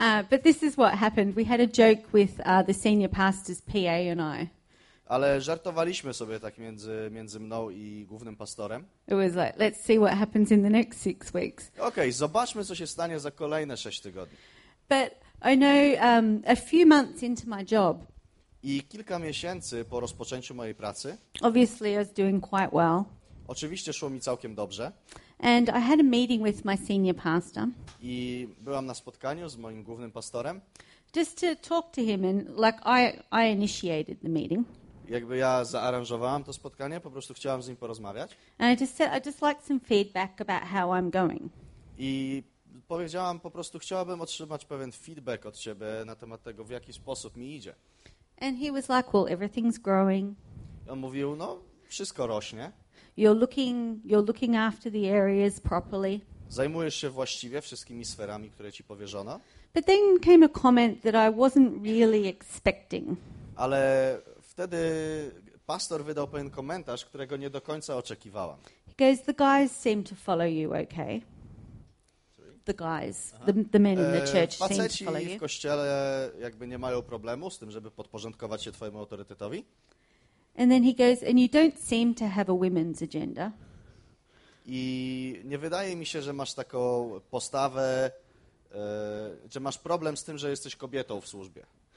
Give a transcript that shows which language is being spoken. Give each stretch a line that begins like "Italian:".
English: But this is what happened. We had a joke with the senior pastor's PA and I.
Polish: Ale żartowaliśmy sobie tak między mną i głównym pastorem.
English: It was like, let's see what happens in the next 6 weeks.
Polish: Okej, zobaczmy, co się stanie za kolejne 6 tygodni.
English: But I know a few months into my job.
Polish: I kilka miesięcy po rozpoczęciu mojej pracy.
English: Obviously I was doing quite well.
Polish: Oczywiście szło mi całkiem dobrze.
English: And I had a meeting with my senior pastor.
Polish: I byłam na spotkaniu z moim głównym pastorem.
English: Just to talk to him and like I initiated the meeting.
Polish: Jakby ja zaaranżowałam to spotkanie, po prostu chciałam z nim porozmawiać.
English: And I just said I'd just like some feedback about how I'm going.
Polish: I powiedziałam po prostu chciałabym otrzymać pewien feedback od ciebie na temat tego, w jaki sposób mi idzie.
English: And he was like, well, everything's growing.
Polish: I on mówił, no, wszystko rośnie.
English: You're looking after the areas properly.
Polish: Zajmujesz się właściwie wszystkimi sferami, które ci powierzono.
English: But then came a comment that I wasn't really expecting.
Polish: Ale wtedy pastor wydał pewien komentarz, którego nie do końca oczekiwałam.
English: He goes, the guys seem to follow you, okay? The guys, the men in the church seem to follow you.
Polish: Faceci w kościele jakby nie mają problemu z tym, żeby podporządkować się twojemu autorytetowi.
English: And then he goes, and you don't seem to have a women's agenda.
Polish: I nie wydaje mi się, że masz taką postawę, że masz problem z tym, że jesteś kobietą w służbie.